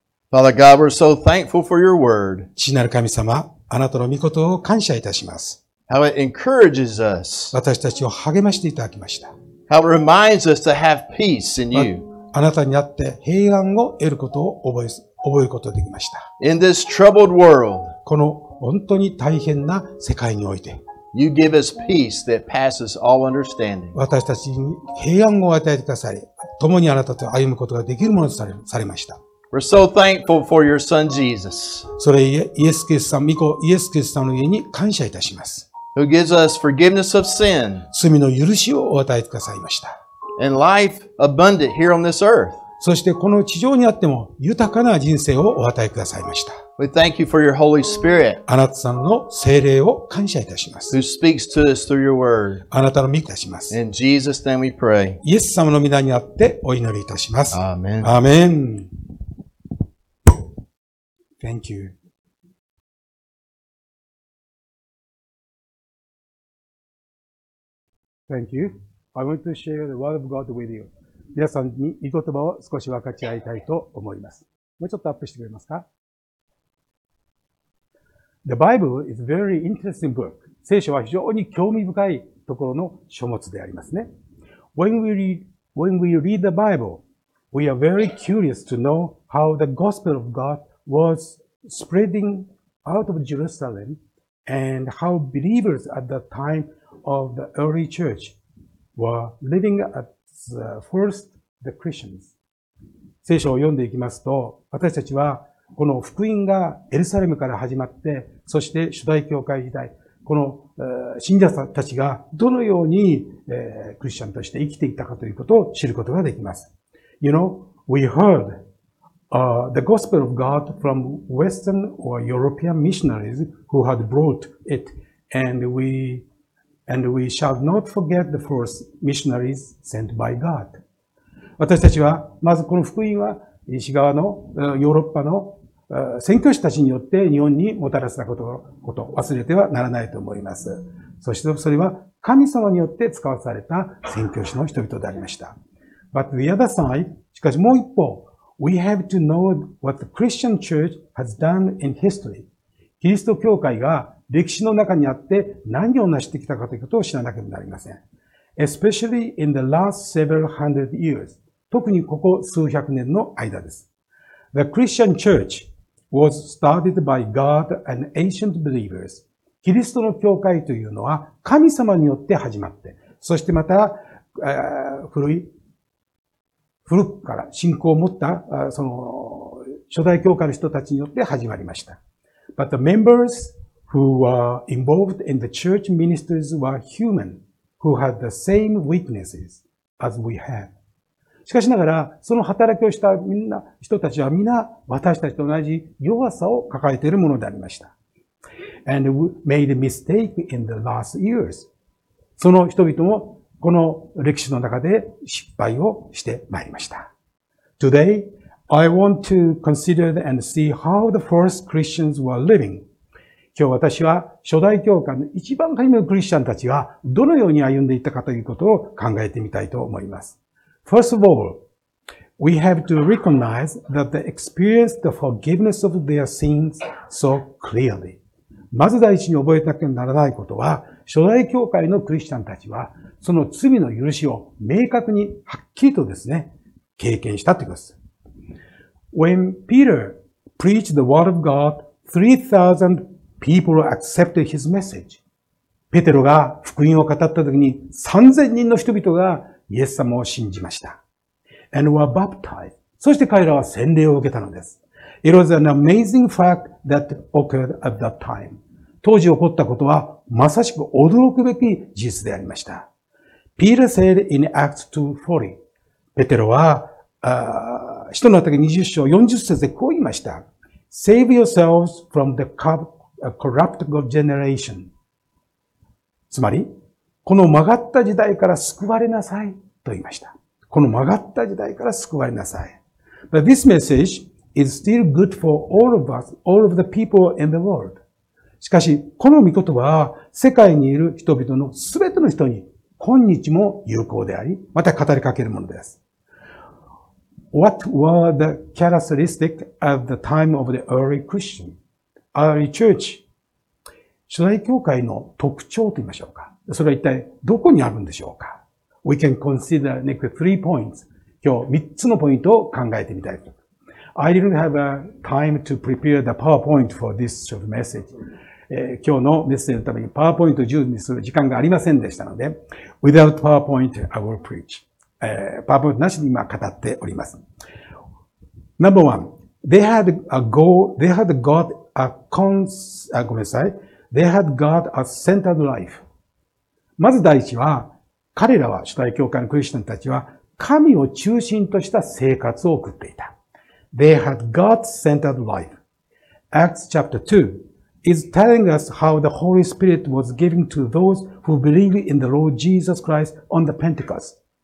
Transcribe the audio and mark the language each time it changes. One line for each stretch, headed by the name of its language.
English: Father God, we're so thankful for your word.
Japanese: 父なる神様、あなたの御言葉を感謝いたします。
English: How it encourages us.
Japanese: 私たちを励ましていただきました。
English: How it reminds us to have peace in you.
Japanese: あなたにあって平安を得ることを覚えることができました。
English: In this troubled world.
Japanese: この本当に大変な世界において。
English: You give us peace that passes all understanding.
Japanese: 私たちに平安を与えてくださり、共にあなたと歩むことができるものとされました。
English: We're so thankful for your son Jesus.
Japanese: それいえ、イエス・キリスト様、御子イエス・キリスト様の家に感謝いたします。
English: Who gives us forgiveness of sin.
Japanese: 罪の許しをお与えくださいました。
English: And life abundant here on this earth.
Japanese: そしてこの地上にあっても豊かな人生をお与えくださいました。
English: We thank you for your Holy Spirit.
Japanese: あなた様の聖霊を感謝いたします。
English: Who speaks to us through your word.
Japanese: あなたの御子いたします。
English: In Jesus' name we pray.
Japanese: イエス様の御名にあってお祈りいたします。
English: Amen. Amen. Thank you. Thank you. I want to share the word of God with you.
Japanese: 皆さんに御言葉を少し分かち合いたいと思います。もうちょっとアップしてくれますか？
English: The Bible is a very interesting book.
Japanese: 聖書は非常に興味深いところの書物でありますね。
English: When we read the Bible, we are very curious to know how the gospel of God was spreading out of Jerusalem and how believers at the time of the early church were living at first the Christians.
Japanese: 聖書を読んでいきますと、私たちはこの福音がエルサレムから始まって、そして初代教会時代、この信者たちがどのようにクリスチャンとして生きていたかということを知ることができます。
English: You know, we heard the gospel of God from Western or European missionaries who had brought it, and we shall not forget the first missionaries sent by God.
Japanese: 私たちはまずこの福音は西側のヨーロッパの宣教師たちによって日本にもたらしたことを忘れてはならないと思います。そしてそれは神様によって使わされた宣教師の人々でありました。
English: But the other side,
Japanese: しかしもう一方、
English: We have to know what the Christian church has done in history.
Japanese: キリスト教会が歴史の中にあって何を成してきたかということを知らなければなりません。
English: Especially in the last several hundred years.
Japanese: 特にここ数百年の間です。
English: The Christian Church was started by God and ancient believers.
Japanese: キリストの教会というのは神様によって始まって、そしてまた、古くから信仰を持った、その、初代教会の人たちによって始まりました。
English: But the members who were involved in the church ministries were human, who had the same weaknesses as we have.
Japanese: しかしながら、その働きをしたみんな、人たちはみんな私たちと同じ弱さを抱えているものでありました。
English: And we made a mistake in the last years.
Japanese: その人々もこの歴史の中で失敗をしてまいりました。
English: Today, I want to consider and see how the first Christians were living.
Japanese: 今日私は初代教会の一番初めのクリスチャンたちはどのように歩んでいったかということを考えてみたいと思います。
English: First of all, we have to recognize that they experienced the forgiveness of their sins so clearly.
Japanese: まず第一に覚えなければならないことは、初代教会のクリスチャンたちは、その罪の許しを明確にはっきりとですね、経験したということです。
English: When Peter preached the word of God, 3,000 people accepted his message.
Japanese: ペテロが福音を語ったときに、3,000 人の人々がイエス様を信じました。
English: And were baptized.
Japanese: そして彼らは洗礼を受けたのです。
English: It was an amazing fact that occurred at that time.
Japanese: 当時起こったことはまさしく驚くべき事実でありました。
English: Peter said in Acts 2:40,
Japanese: ペテロは、使徒の働き20章40節でこう言いました。
English: Save yourselves from the corrupt generation.
Japanese: つまり、この曲がった時代から救われなさいと言いました。この曲がった時代から救われなさい。
English: But this message is still good for all of us, all of the people in the world.
Japanese: しかし、この御言葉は世界にいる人々のすべての人に今日も有効であり、また語りかけるものです。
English: What were the characteristics at the time of the early Christian? Early church.
Japanese: 初代教会の特徴と言いましょうか。それは一体どこにあるんでしょうか ?
English: We can consider next three points.
Japanese: 今日三つのポイントを考えてみたいと。
English: I didn't have a time to prepare the PowerPoint for this short message.、
Japanese: 今日のメッセージのために PowerPoint を準備する時間がありませんでしたので、
English: Without PowerPoint, I will preach.、
Japanese: PowerPoint なしに今語っております。
English: Number one, they had God as centered life.
Japanese: まず第一は、彼らは、主体教会のクリスチャンたちは、神を中心とした生活を送っていた。
English: They had God-centered life. Acts chapter 2 is telling us how the Holy Spirit was given to those who believe in the Lord Jesus Christ on the Pentecost.